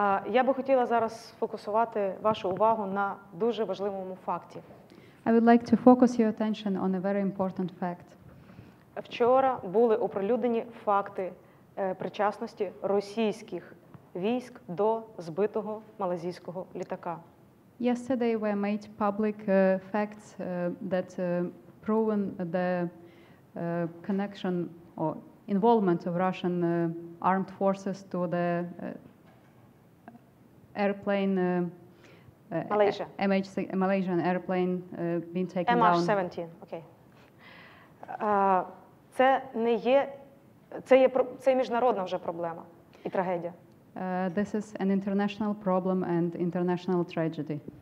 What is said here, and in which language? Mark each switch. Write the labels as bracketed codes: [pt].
[uk] Я би хотіла зараз фокусувати вашу увагу на дуже важливому факті. [en] I would like to focus your attention on a very important fact. [uk] Вчора були оприлюднені факти причасності російських військ до збитого малайзійського літака. [en] Yesterday were made public facts that proven the connection or involvement of Russian armed forces to the airplane Malaysia. Malaysian airplane being taken MH-17. Down. MH-17, okay. [uk] Це не є, це міжнародна вже проблема і трагедія. [en] This is an international problem and international tragedy.